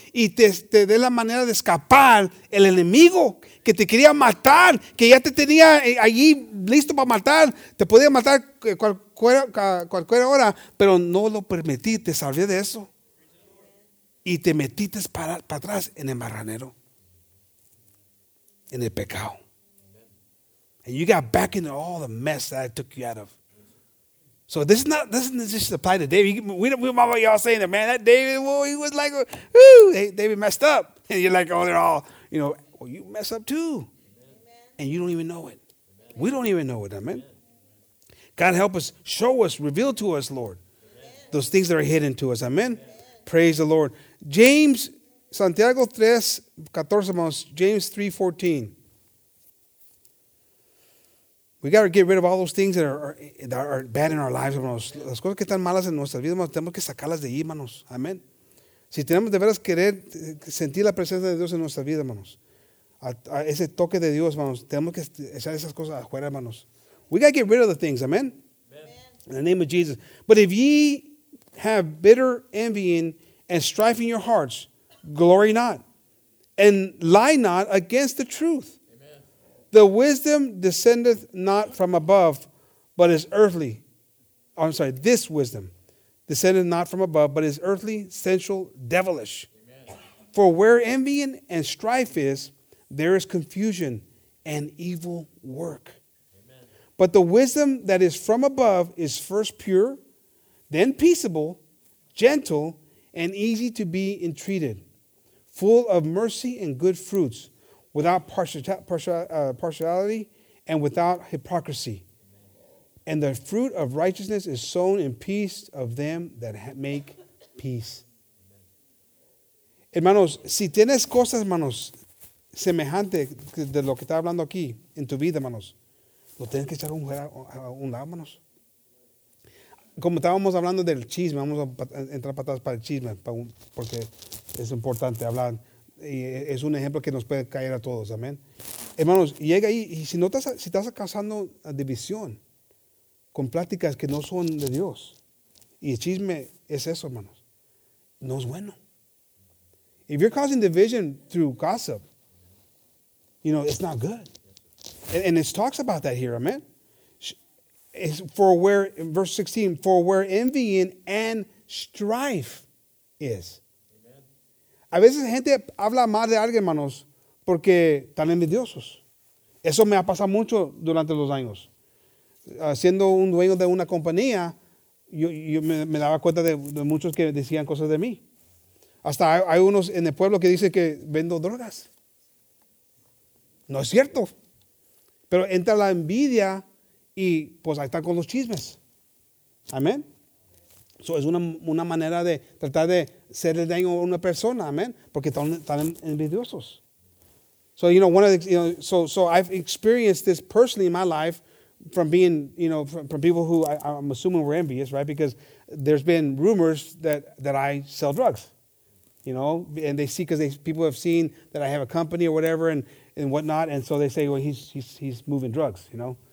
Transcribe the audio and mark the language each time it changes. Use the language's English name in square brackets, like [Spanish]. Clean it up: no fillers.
[Spanish] Y te dé la manera de escapar el enemigo que te quería matar, que ya te tenía allí listo para matar. Te podía matar cualquier hora, pero no lo permití. Te salvé de eso. Y te metiste para atrás en el marranero, en el pecado. [English] And you got back into all the mess that I took you out of. So this just apply to David. We mama y'all saying that, man, that David, well, he was like, whoo, David messed up. And you're like, oh, they're all, you know, well, you mess up too. Amen. And you don't even know it. Amen. We don't even know it, amen. God help us, show us, reveal to us, Lord, amen, those things that are hidden to us, amen. Amen. Praise the Lord. James, Santiago 3, 14 months, James 3, 14. We got to get rid of all those things that are bad in our lives, hermanos. [Spanish] Las cosas que están malas en nuestras vidas, hermanos, tenemos que sacarlas de ahí, hermanos. Amén. Si tenemos de veras querer sentir la presencia de Dios en nuestra vida, hermanos, a ese toque de Dios, hermanos, tenemos que echar esas cosas afuera, hermanos. [English] We got to get rid of the things, amén. In the name of Jesus. But if ye have bitter envying and strife in your hearts, glory not, and lie not against the truth. The wisdom descendeth not from above, but is earthly. Oh, I'm sorry, this wisdom descendeth not from above, but is earthly, sensual, devilish. Amen. For where envy and strife is, there is confusion and evil work. Amen. But the wisdom that is from above is first pure, then peaceable, gentle, and easy to be entreated, full of mercy and good fruits, without partiality and without hypocrisy. And the fruit of righteousness is sown in peace of them that make peace. [Spanish] Hermanos, si tienes cosas, hermanos, semejante de lo que está hablando aquí en tu vida, hermanos, lo tienes que echar un lado, hermanos. Como estábamos hablando del chisme, vamos a entrar patadas para el chisme, porque es importante hablar. Y es un ejemplo que nos puede caer a todos, amén. Hermanos, llega ahí y si estás causando división con pláticas que no son de Dios, y el chisme es eso, hermanos, no es bueno. [English] If you're causing division through gossip, you know, it's not good. And it talks about that here, amén. It's for where, in verse 16, for where envying and strife is. [Spanish] A veces gente habla mal de alguien, hermanos, porque están envidiosos. Eso me ha pasado mucho durante los años. Siendo un dueño de una compañía, yo me daba cuenta de muchos que decían cosas de mí. Hasta hay unos en el pueblo que dicen que vendo drogas. No es cierto. Pero entra la envidia y pues ahí están con los chismes. Amén. Eso es una manera de tratar de ser el daño a una persona, amén, porque están envidiosos. [English] So, you know, so I've experienced this personally in my life from being, you know, from people who I'm assuming were envious, right? Because there's been rumors that I sell drugs. you know, and they see because people have seen that I have a company or whatever and whatnot, and so they say, well, he's moving drugs, you know.